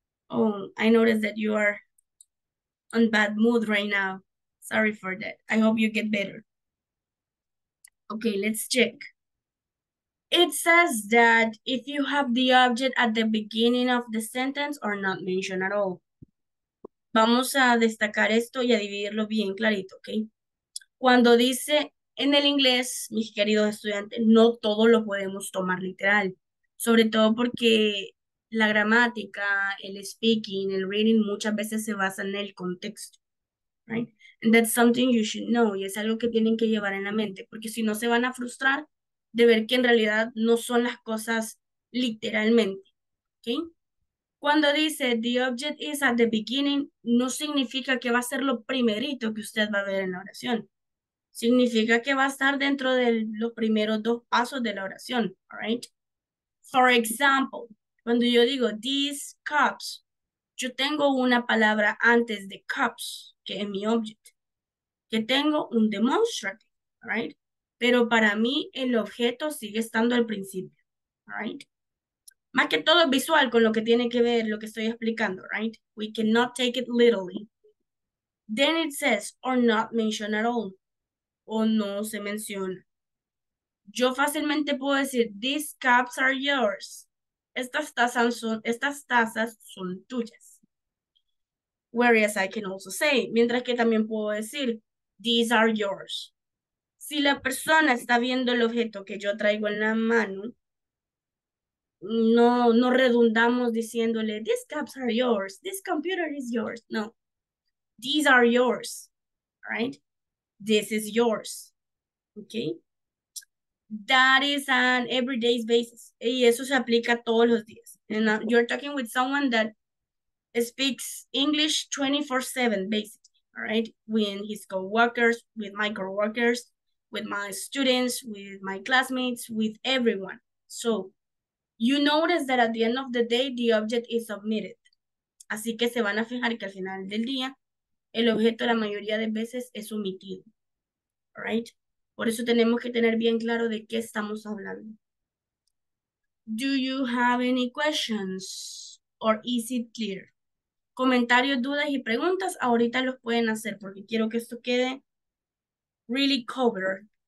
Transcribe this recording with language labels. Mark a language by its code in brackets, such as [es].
[en] Oh, I noticed that you are on bad mood right now. Sorry for that. I hope you get better. Okay, let's check. It says that if you have the object at the beginning of the sentence or not mentioned at all. [es] Vamos a destacar esto y a dividirlo bien clarito, okay? Cuando dice en el inglés, mis queridos estudiantes, no todo lo podemos tomar literal. Sobre todo porque la gramática, el speaking, el reading, muchas veces se basa en el contexto. Right? [en] And that's something you should know. [es] Y es algo que tienen que llevar en la mente. Porque si no, se van a frustrar de ver que en realidad no son las cosas literalmente. ¿Okay? Cuando dice, [en] the object is at the beginning, [es] no significa que va a ser lo primerito que usted va a ver en la oración. Significa que va a estar dentro de los primeros dos pasos de la oración, right? For example, cuando yo digo [en] these cups, [es] yo tengo una palabra antes de cups, que es mi object, que tengo un demonstrative, right? Pero para mí el objeto sigue estando al principio, right? Más que todo visual con lo que tiene que ver lo que estoy explicando, right? [en] We cannot take it literally. Then it says, or not mention at all. [es] O no se menciona. Yo fácilmente puedo decir, [en] these cups are yours. [es] Estas tazas son tuyas. [en] Whereas I can also say, [es] mientras que también puedo decir, [en] these are yours. [es] Si la persona está viendo el objeto que yo traigo en la mano, no, no redundamos diciéndole, [en] these cups are yours, this computer is yours. No, these are yours, right? This is yours, okay? That is an everyday basis. [es] Y eso se aplica todos los días. [en] And you're talking with someone that speaks English 24/7, basically, all right? With his co-workers, with my co-workers, with my students, with my classmates, with everyone. So you notice that at the end of the day, the object is submitted. [es] Así que se van a fijar que al final del día, el objeto la mayoría de veces es omitido, all right? Por eso tenemos que tener bien claro de qué estamos hablando. [en] Do you have any questions or is it clear? [es] Comentarios, dudas y preguntas, ahorita los pueden hacer porque quiero que esto quede [en] really covered.